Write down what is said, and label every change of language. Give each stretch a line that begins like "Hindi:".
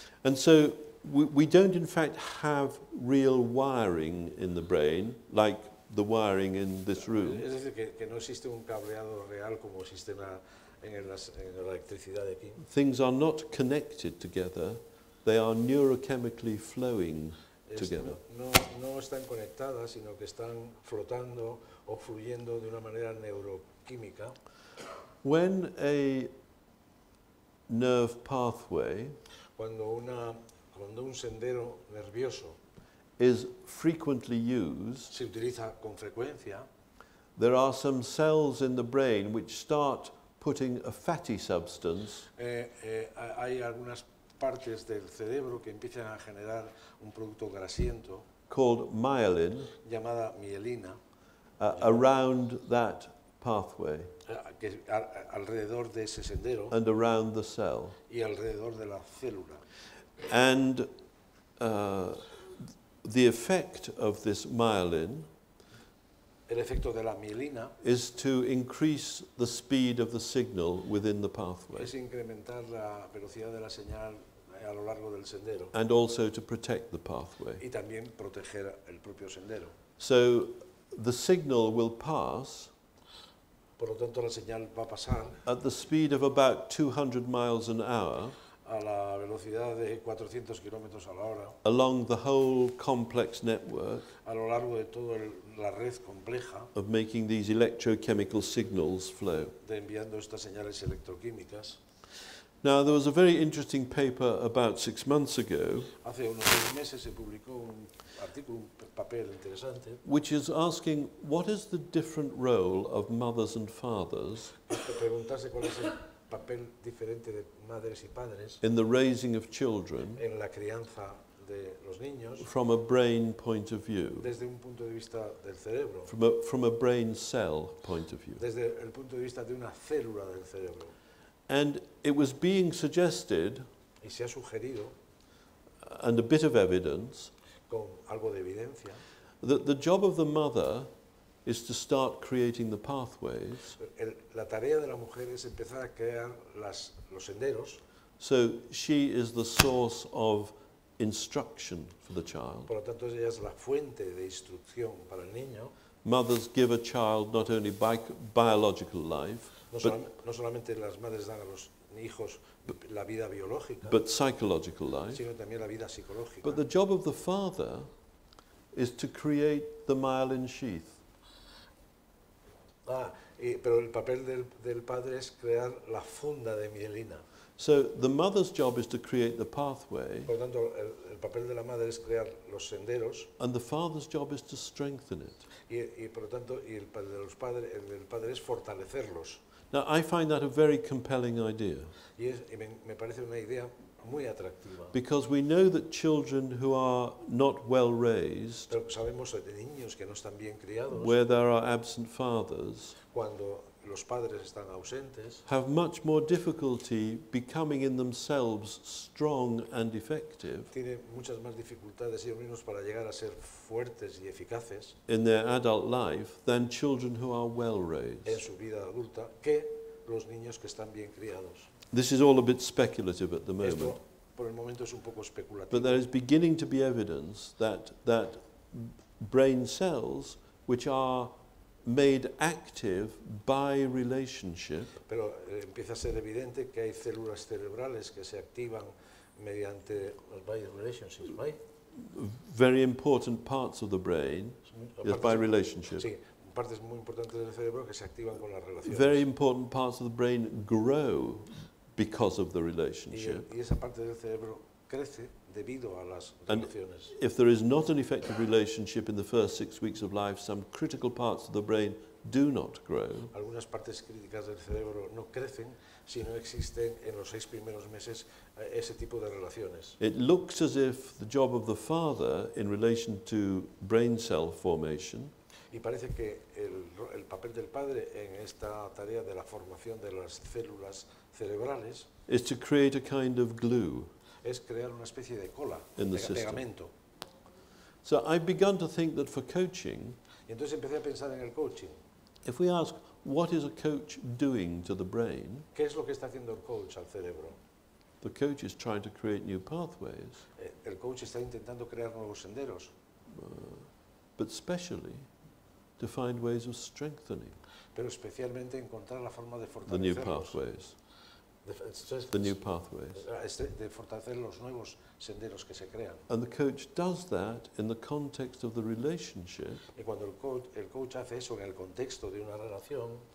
English: And so we don't in fact have real wiring in the brain like the wiring in this room.
Spanish: Es decir, que no existe un cableado real como existe en la electricidad de aquí.
English: Things are not connected together, they are neurochemically flowing together.
Spanish: No están conectadas, sino que están flotando o fluyendo de una manera neuroquímica.
English: When a nerve pathway
Spanish: cuando un sendero nervioso
English: is frequently used,
Spanish: se utiliza con frecuencia,
English: there are some cells in the brain which start putting a fatty substance.
Spanish: Hay algunas partes del cerebro que empiezan a generar un producto grasiento
English: called myelin,
Spanish: llamada mielina,
English: around that pathway,
Spanish: alrededor de ese sendero,
English: and around the cell,
Spanish: y alrededor de la célula.
English: And the effect of this myelin,
Spanish: el efecto de la mielina,
English: is to increase the speed of the signal within the pathway.
Spanish: Es incrementar la velocidad de la señal a lo largo del sendero.
English: And also to protect the pathway.
Spanish: Y también proteger el propio sendero.
English: So the signal will pass,
Spanish: por lo tanto, la señal va a pasar,
English: at the speed of about 200 miles an hour,
Spanish: a la velocidad de 400 kilómetros a la hora,
English: along the whole complex network,
Spanish: a lo largo de toda la red compleja,
English: of making these electrochemical signals flow,
Spanish: de enviando estas señales electroquímicas.
English: Now there was a very interesting paper about 6 months ago,
Spanish: hace unos 6 meses se publicó un artículo, un papel interesante,
English: which is asking what is the different role of mothers and fathers
Spanish: preguntarse cuál es el papel diferente de madres y padres
English: in the raising of children,
Spanish: en la crianza de los niños,
English: from a brain point of view,
Spanish: desde un punto de vista del cerebro,
English: from a brain cell point of view,
Spanish: desde el punto de vista de una célula del cerebro.
English: And it was being suggested,
Spanish: y se ha sugerido,
English: and a bit of evidence,
Spanish: con algo de evidencia,
English: that the job of the mother is to start creating the pathways.
Spanish: La tarea de la mujer es empezar a crear los senderos.
English: So she is the source of instruction for the child.
Spanish: Por lo tanto, ella es la fuente de instrucción para el niño.
English: Mothers give a child not only biological life,
Spanish: no solamente las madres dan a los hijos la vida biológica,
English: but psychological life,
Spanish: sino también la vida psicológica.
English: But the job of the father is to create the myelin sheath.
Spanish: Pero el papel del padre es crear la funda de mielina.
English: So the mother's job is to create the pathway.
Spanish: Por tanto, el papel de la madre es crear los senderos.
English: And the father's job is to strengthen it.
Spanish: Y por lo tanto, y el papel de los padres, el del padre es fortalecerlos.
English: Now I find that a very compelling idea.
Spanish: Y me parece una idea muy atractiva.
English: Because we know that children who are not well raised,
Spanish: pero sabemos de niños que no están bien criados,
English: where there are absent fathers,
Spanish: cuando los padres están ausentes,
English: have much more difficulty becoming in themselves strong and effective.
Spanish: Tiene muchas más dificultades ellos mismos para llegar a ser fuertes y eficaces
English: in their adult life than children who are well raised.
Spanish: En su vida adulta que los niños que están bien criados.
English: This is all a bit speculative at the moment.
Spanish: Esto, por el momento, es un poco especulativo.
English: But there is beginning to be evidence that brain cells which are made active by relationship.
Spanish: Pero empieza a ser evidente que hay células cerebrales que se activan mediante
English: by relationships, right? Very important parts of the brain is by relationship.
Spanish: Sí, partes muy importantes del cerebro que se activan con las relaciones.
English: Very important parts of the brain grow because of the relationship.
Spanish: Y esa parte del cerebro crece debido a las relaciones.
English: And if there is not an effective relationship in the first 6 weeks of life, some critical parts of the brain do not grow.
Spanish: Algunas partes críticas del cerebro no crecen si no existen en los 6 primeros meses ese tipo de relaciones.
English: It looks as if the job of the father in relation to brain cell formation.
Spanish: Y parece que el papel del padre en esta tarea de la formación de las células cerebrales
English: is to create a kind of glue.
Spanish: Es crear una especie de cola, de pegamento.
English: So I've begun to think that for coaching,
Spanish: y entonces empecé a pensar en el coaching.
English: If we ask, what is a coach doing to the brain?
Spanish: ¿Qué es lo que está haciendo el coach al cerebro?
English: The coach is trying to create new pathways.
Spanish: El coach está intentando crear nuevos senderos.
English: But especially to find ways of strengthening.
Spanish: Pero especialmente encontrar la forma de fortalecer
English: the new pathways. The new pathways.
Spanish: De fortalecer los nuevos senderos que se crean.
English: And the coach does that in the context of the relationship.
Spanish: Y cuando el coach hace eso en el contexto de una relación.